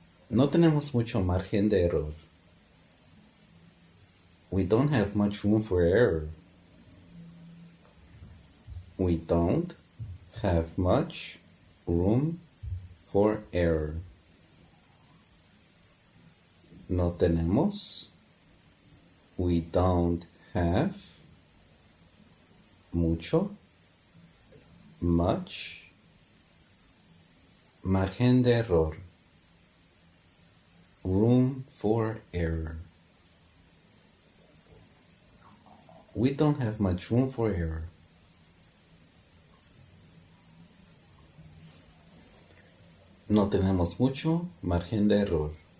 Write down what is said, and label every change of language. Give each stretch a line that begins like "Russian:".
Spanish: No tenemos mucho margen de error.
English: We don't have much room for error. We don't have much room for error.
Spanish: No tenemos.
English: We don't have
Spanish: mucho,
English: much,
Spanish: margen de error.
English: Room for error. We don't have much room for error.
Spanish: No tenemos mucho margen de error.